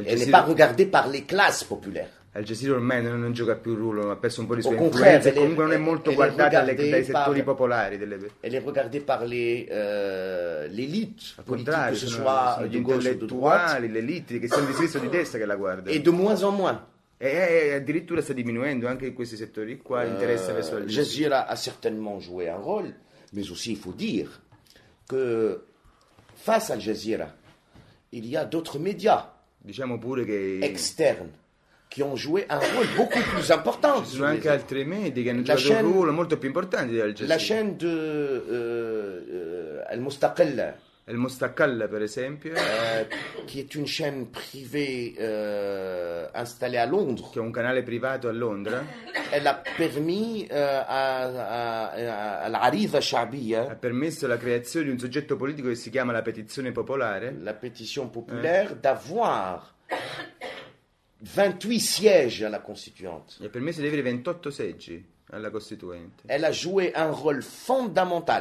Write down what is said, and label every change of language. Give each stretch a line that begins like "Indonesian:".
French: Elle n'est pas regardée par les classes populaires.
Italian: Al Jazeera ormai non gioca più un ruolo, ha perso un po' di sua influenza, comunque non è molto guardata dai settori popolari.
French: Elle est regardée par l'élite,
Italian: al contrario, sono gli intellettuali, l'élite, che siano di sinistra o di destra che la guardano.
French: Et de moins en moins.
Italian: E addirittura sta diminuendo anche in questi settori qua l'interesse verso Al Jazeera.
French: A certainement joué un rôle, mais aussi il faut dire que face Al Jazeera, il y a d'autres médias,
Italian: diciamo pure che
French: externes, qui ont joué un rôle beaucoup plus important.
Italian: Ci sono anche altri media che hanno la giocato un ruolo molto più importante di Al Jazeera.
French: La chaîne de Al Mustaqil.
Italian: Al Mustaqil, per esempio,
French: qui est une chaîne privée installée à Londres.
Italian: Che è un canale privato a Londra.
French: Elle a permis à l'Arida Shaabia.
Italian: Ha permesso la creazione di un soggetto politico che si chiama la Petizione Popolare.
French: La Petition Populaire d'avoir 28 sièges à la Constituante.
Italian: Gli ha permesso di avere 28 seggi alla Costituente.
French: Elle a joué un rôle fondamental.